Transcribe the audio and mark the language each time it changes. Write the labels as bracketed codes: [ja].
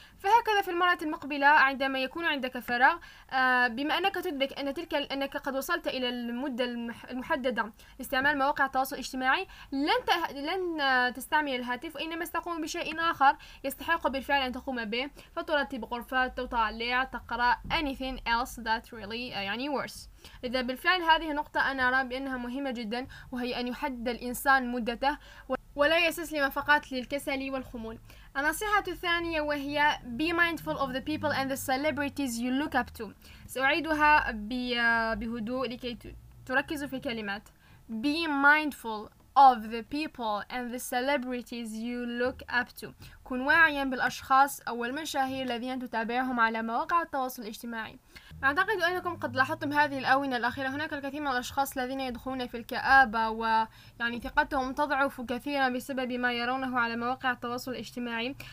[ar] فهكذا في المرة المقبلة عندما يكون عندك فراغ، بما أنك تدرك أن تلك أنك قد وصلت إلى المدة المحددة لاستعمال مواقع التواصل الاجتماعي، لن تستعمل الهاتف، وإنما ستقوم بشيء آخر يستحق بالفعل أن تقوم به، فترتب غرفة، تطالع، تقرأ [en] anything else that really [ar] يعني [en] worse. [ar] إذا بالفعل هذه نقطة أنا أرى بأنها مهمة جدا، وهي أن يحدد الإنسان مدته ولا يستسلم فقط للكسل والخمول. النصيحة الثانية وهي [en] be mindful of the people and the celebrities you look up to. [ar] سأعيدها بهدوء لكي تركزوا في الكلمات. [en] Be mindful of the people and the celebrities you look up to. [ar] كن واعيا بالأشخاص أو المشاهير الذين تتابعهم على مواقع التواصل الاجتماعي. أعتقد أنكم قد لاحظتم هذه الآونة الأخيرة، هناك الكثير من الأشخاص الذين يدخلون في الكآبة، ويعني ثقتهم تضعف كثيرا بسبب ما يرونه على مواقع التواصل الاجتماعي.